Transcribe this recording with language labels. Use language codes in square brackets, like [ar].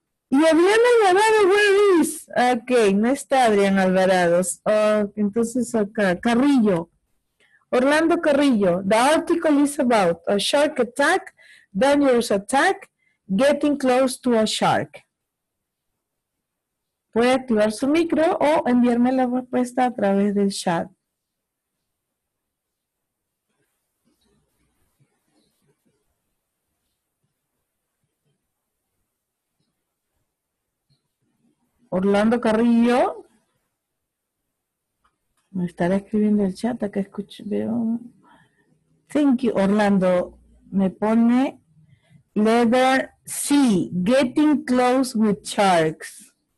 [es] Y Adrián Alvarado, [en] where is? Okay, [es] no está Adrián Alvarado. Oh, entonces acá, Carrillo. [en] Orlando Carrillo, the article is about a shark attack, dangerous attack, getting close to a shark. [es] Puede activar su micro o enviarme la respuesta a través del chat. Orlando Carrillo. Me estará escribiendo el chat, acá escucho, veo. [en] Thank you, Orlando. [es] Me pone [en] letter C, getting close with sharks.